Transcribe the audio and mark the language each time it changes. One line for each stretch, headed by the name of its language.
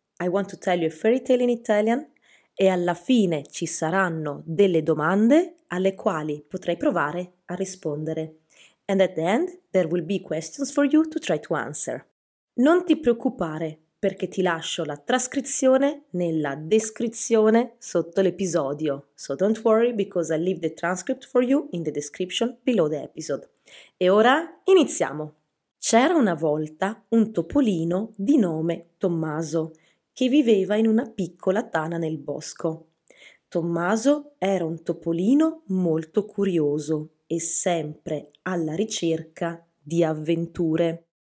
English: I want to tell you a fairy tale in Italian.
Italian: E alla fine ci saranno delle domande alle quali potrai provare a rispondere.
English: And at the end there will be questions for you to try to answer.
Italian: Non ti preoccupare, perché ti lascio la trascrizione nella descrizione sotto l'episodio.
English: So don't worry, because I leave the transcript for you in the description below the episode.
Italian: E ora iniziamo! C'era una volta un topolino di nome Tommaso, che viveva in una piccola tana nel bosco. Tommaso era un topolino molto curioso e sempre alla ricerca di avventure.